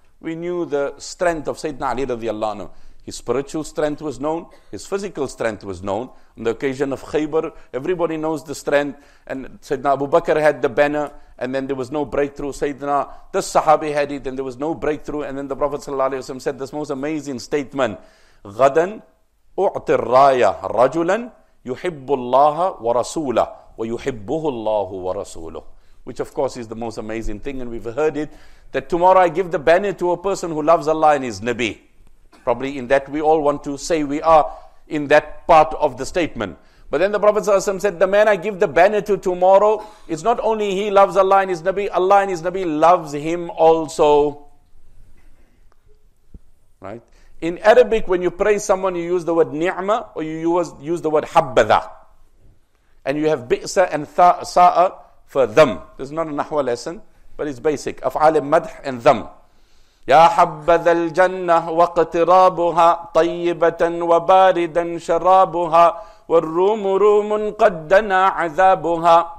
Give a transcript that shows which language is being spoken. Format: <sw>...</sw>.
<en>We knew the strength of Sayyidina Ali radiallahu anhu. His spiritual strength was known, his physical strength was known. On the occasion of Khaybar, everybody knows the strength. And Sayyidina Abu Bakr had the banner, and then there was no breakthrough. Sayyidina, this Sahabi had it, and there was no breakthrough. And then the Prophet ﷺ said this most amazing statement,</en> <ar>غَدًا أُعْتِ الرَّايَ رَجُلًا يُحِبُّ اللَّهَ وَرَسُولَهُ وَيُحِبُّهُ اللَّهُ وَرَسُولُهُ.</ar> <en>Which of course is the most amazing thing, and we've heard it, that tomorrow I give the banner to a person who loves Allah and his Nabi. Probably in that we all want to say we are in that part of the statement. But then the Prophet ﷺ said, the man I give the banner to tomorrow, it's not only he loves Allah and his Nabi, Allah and his Nabi loves him also. Right? In Arabic, when you praise someone, you use the word ni'mah, or you use the word habbadha. And you have bi'sa and sa'a for them. This is not a nahwa lesson, but it's basic. Af'al madh and them.</en> <ar>يا حبذا الجنة واقترابها طيبة وباردا شرابها والروم روم قدنا عذابها.</ar>